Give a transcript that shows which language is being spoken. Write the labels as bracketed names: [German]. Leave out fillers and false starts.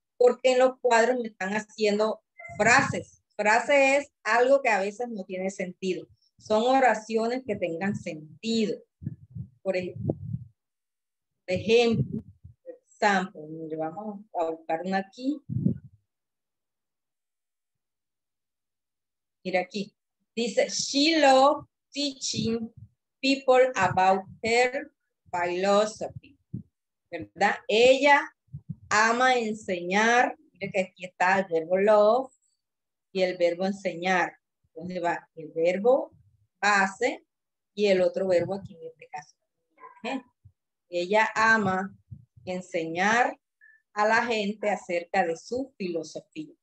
[Spanish] Porque en los cuadros me están haciendo frases. Frase es algo que a veces no tiene sentido. Son oraciones que tengan sentido. Por ejemplo, mire, vamos a buscar una aquí. Mira aquí. Dice, [English] she loves teaching people about her philosophy. [Spanish] ¿Verdad? Ella ama enseñar. Mire que aquí está el verbo love y el verbo enseñar. ¿Dónde va? El verbo base y el otro verbo aquí en este caso. Ella ama enseñar a la gente acerca de su filosofía.